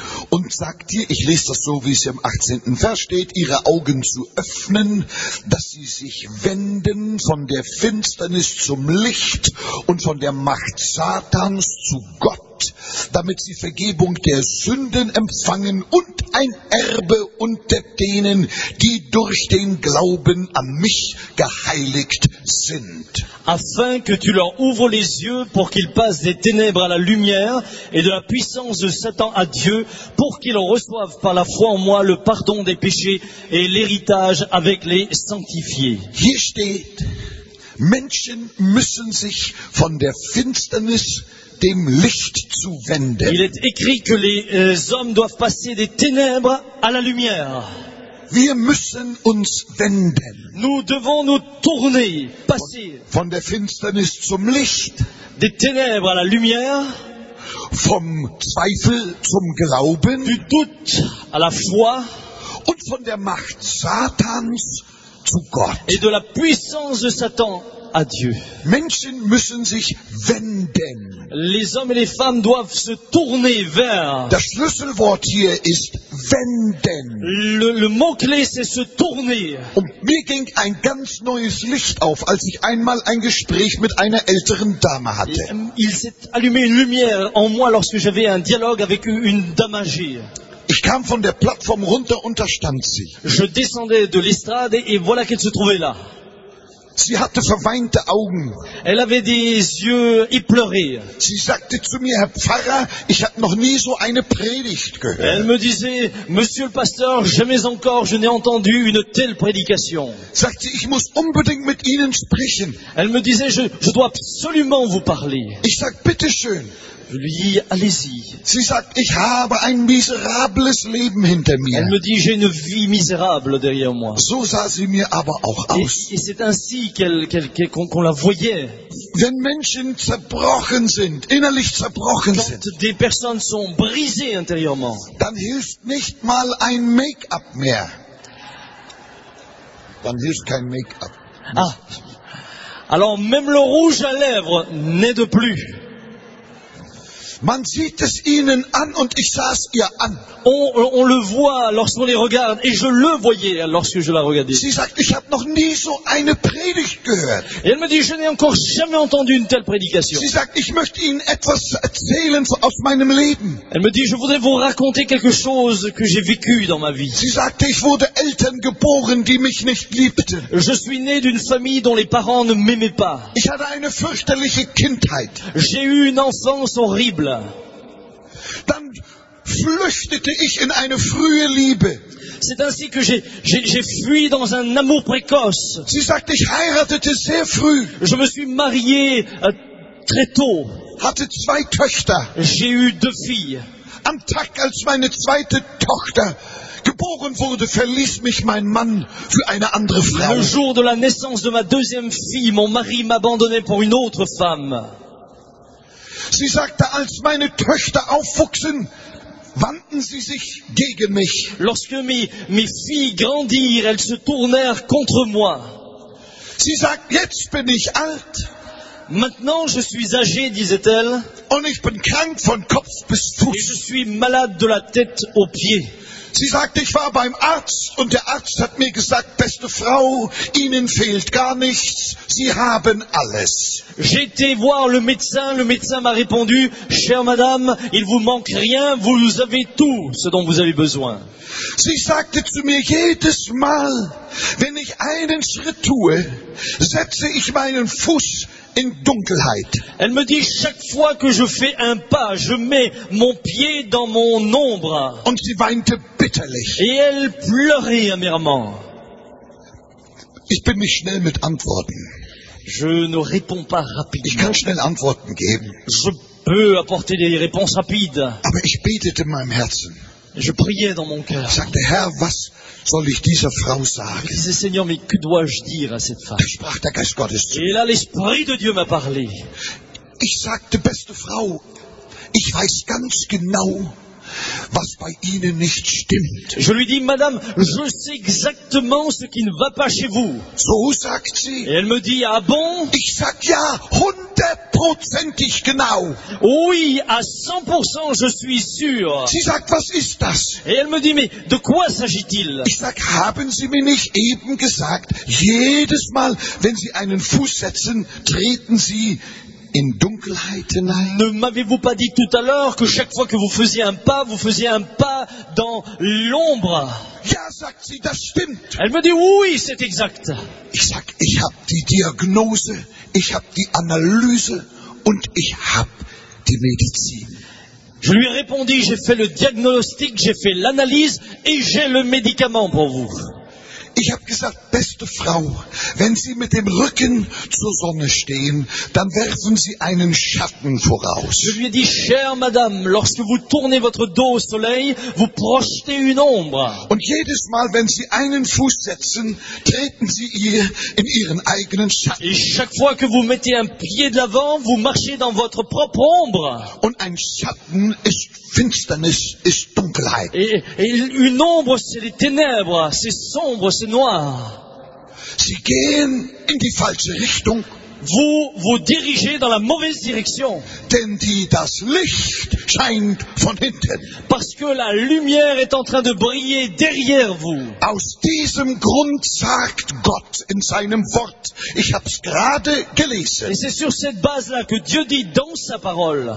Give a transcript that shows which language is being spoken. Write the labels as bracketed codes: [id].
[de] Und sagt ihr, ich lese das so, wie es im 18. Vers steht, ihre Augen zu öffnen, dass sie sich wenden von der Finsternis zum Licht und von der Macht Satans zu Gott, damit sie Vergebung der Sünden empfangen und ein Erbe unter denen, die durch den Glauben an mich geheiligt sind. [fr] Afin que tu leur ouvres les yeux pour qu'ils passent des ténèbres à la lumière et de la puissance de Satan à Dieu, pour qu'ils reçoivent par la foi en moi le pardon des péchés et l'héritage avec les sanctifiés. [de] Hier steht, Menschen müssen sich von der Finsternis dem Licht zu wenden. [fr] Il est écrit que les hommes doivent passer des ténèbres à la lumière. [de] Wir müssen uns wenden. [fr] Nous devons nous tourner, passer. [de] Von der Finsternis zum Licht. [fr] Des ténèbres à la lumière. [de] Vom Zweifel zum Glauben. [fr] Du doute à la foi. [de] Und von der Macht Satans zu Gott. [fr] Et de la puissance de Satan à Dieu. [de] Menschen müssen sich wenden. [fr] Les hommes et les femmes doivent se tourner vers. [de] Das Schlüsselwort hier ist wenden. [fr] Le mot-clé, c'est se tourner. [de] Und mir ging ein ganz neues Licht auf, als ich einmal ein Gespräch mit einer älteren Dame hatte. [fr] Il s'est allumé une lumière en moi lorsque j'avais un dialogue avec une dame âgée. [de] Ich kam von der Plattform runter und da stand sie. [fr] Je descendais de l'estrade et voilà qu'elle se trouvait là. [de] Sie hatte verweinte Augen. [fr] Elle avait des yeux éplorés. [de] Sie sagte zu mir, Herr Pfarrer, ich habe noch nie so eine Predigt gehört. [fr] Elle me disait, Monsieur le Pasteur, jamais encore je n'ai entendu une telle prédication. [de] Sagte, ich muss unbedingt mit Ihnen sprechen. [fr] Elle me disait, je dois absolument vous parler. [de] Ich sag, bitte schön. [fr] Lui dit, allez-y. [de] Sie sagt, ich habe ein miserables Leben hinter mir. [fr] Elle me dit, j'ai une vie misérable derrière moi. [de] So sah sie mir aber auch aus. [fr] Et c'est ainsi qu'on la voyait. [de] Wenn Menschen zerbrochen sind, innerlich zerbrochen [fr] quand [de] sind, [fr] des personnes sont brisées intérieurement, [de] dann hilft nicht mal ein Make-up mehr. Dann hilft kein Make-up. Ah. [fr] Alors même le rouge à lèvres n'aide plus. [de] Man sieht es ihnen an und ich sah es ihr an. [fr] On le voit lorsqu'on les regarde et je le voyais lorsque je la regardais. [de] Sie sagt, ich habe noch nie so eine Predigt gehört. [fr] Et elle me dit, je n'ai encore jamais entendu une telle prédication. [de] Sie sagt, ich möchte Ihnen etwas erzählen aus meinem Leben. [fr] Elle me dit, je voudrais vous raconter quelque chose que j'ai vécu dans ma vie. [de] Sie sagt, ich wurde Eltern geboren, die mich nicht liebten. [fr] Je suis né d'une famille dont les parents ne m'aimaient pas. [de] Ich hatte eine fürchterliche Kindheit. [fr] J'ai eu une enfance horrible. [de] Dann flüchtete ich in eine frühe Liebe. [fr] C'est ainsi que j'ai fui dans un amour précoce. [de] Sie sagt, ich heiratete sehr früh. [fr] Je me suis marié très tôt. [de] Hatte zwei Töchter. [fr] J'ai eu deux filles. [de] Am Tag, als meine zweite Tochter geboren wurde, verließ mich mein Mann für eine andere Frau. [fr] Le jour de la naissance de ma deuxième fille, mon mari m'abandonnait pour une autre femme. [de] Sie sagte, als meine Töchter aufwuchsen, wandten sie sich gegen mich. [fr] Lorsque mes filles grandirent, elles se tournèrent contre moi. [de] Sie sagt, jetzt bin ich alt. [fr] Maintenant, je suis âgée, disait-elle. [de] Und ich bin krank von Kopf bis Fuß. [fr] Et je suis malade de la tête aux pieds. [de] Sie sagt, ich war beim Arzt und der Arzt hat mir gesagt, beste Frau, Ihnen fehlt gar nichts, Sie haben alles. [fr] J'étais voir le médecin m'a répondu, chère madame, il vous manque rien, vous avez tout ce dont vous avez besoin. [de] Sie sagte zu mir, jedes Mal, wenn ich einen Schritt tue, setze ich meinen Fuß in Dunkelheit. [fr] Elle me dit chaque fois que je fais un pas, je mets mon pied dans mon ombre. [de] Und sie weinte bitterlich. [fr] Et elle pleurait amèrement. [de] Ich bin nicht schnell mit Antworten. [fr] Je ne réponds pas rapidement. [de] Ich kann schnell Antworten geben. [fr] Je peux apporter des réponses rapides. [de] Aber ich betete in meinem Herzen. [fr] Je priais dans mon cœur. [de] Sagte Herr, was soll ich dieser Frau sagen? [fr] Je disais, Seigneur, mais que dois-je dire à cette femme? [de] Da sprach der Geist Gottes zu. [fr] Et là, l'Esprit de Dieu m'a parlé. [de] Ich sagte, beste Frau, ich weiß ganz genau, was bei Ihnen nicht stimmt. [fr] Je lui dis, madame, je sais exactement ce qui ne va pas chez vous. [de] So sagt sie. [fr] Et elle me dit, ah bon? [de] Ich sag ja, hundertprozentig genau. [fr] Oui, à 100% je suis sûr. [de] Sie sagt, was ist das? [fr] Et elle me dit, mais de quoi s'agit-il? [de] Ich sag, haben Sie mir nicht eben gesagt, jedes Mal, wenn Sie einen Fuß setzen, treten Sie in Dunkelheit hinein. [fr] Ne m'avez-vous pas dit tout à l'heure que chaque fois que vous faisiez un pas dans l'ombre? [de] Ja, sagt sie, das stimmt. [fr] Elle me dit oui, c'est exact. [de] Ich sag, ich hab die Diagnose, ich hab die Analyse und ich hab die Medizin. [fr] Je lui répondis, j'ai fait le diagnostic, j'ai fait l'analyse et j'ai le médicament pour vous. [de] Ich habe gesagt, beste Frau, wenn Sie mit dem Rücken zur Sonne stehen, dann werfen Sie einen Schatten voraus. [fr] Je lui ai dit, chère madame, lorsque vous tournez votre dos au soleil, vous projetez une ombre. [de] Und jedes Mal, wenn Sie einen Fuß setzen, treten Sie ihr in Ihren eigenen Schatten. [fr] Et chaque fois que vous mettez un pied de l'avant, vous marchez dans votre propre ombre. [de] Und ein Schatten ist Finsternis, ist Dunkelheit. [fr] Et une ombre, c'est les ténèbres, c'est sombre. C'est noir. [de] Sie gehen in die falsche Richtung. [fr] Vous vous dirigez dans la mauvaise direction. [de] Denn die, das Licht scheint von hinten. [fr] Parce que la lumière est en train de briller derrière vous. [de] Aus diesem Grund sagt Gott in seinem Wort, ich hab's gerade gelesen. [fr] Et c'est sur cette base-là que Dieu dit dans sa parole.